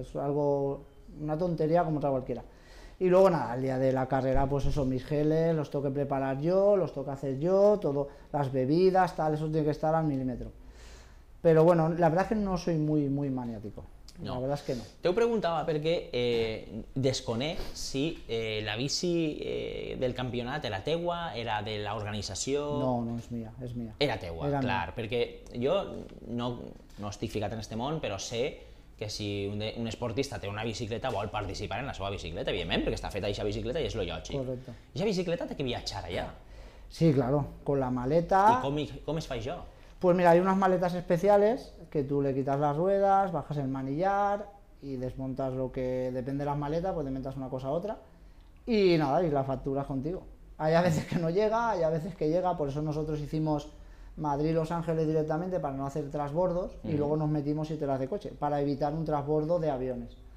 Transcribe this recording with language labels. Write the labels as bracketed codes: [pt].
[es] Es algo, una tontería como otra cualquiera. Y luego nada, al día de la carrera, pues eso, mis geles, los tengo que preparar yo, los tengo que hacer yo, todo, las bebidas, tal, eso tiene que estar al milímetro. Pero bueno, la verdad es que no soy muy, muy maniático. No. La verdad es que no. Te preguntaba porque desconé si la bici del campeonato era tegua, era de la organización. No, no, es mía, es mía. Era tegua, era claro. Mía. Porque yo no, no estoy [ca] ficat en este món, pero sé que si un esportista té una bicicleta vol participar en la seva bicicleta, evidentment, perquè està feta aquesta bicicleta i és lo lògic. Correcte. Aquesta bicicleta té que viatjar allà. [es] Sí, claro, con la maleta... [ca] I com es fa això? [es] Pues mira, hay unas maletas especiales que tú le quitas las ruedas, bajas el manillar y desmontas lo que depende de las maletas, pues desmontas una cosa a otra y nada, y la facturas contigo. Hay a veces que no llega, hay a veces que llega, por eso nosotros hicimos Madrid-Los Ángeles directamente para no hacer trasbordos y luego nos metimos 7 horas de coche para evitar un trasbordo de aviones.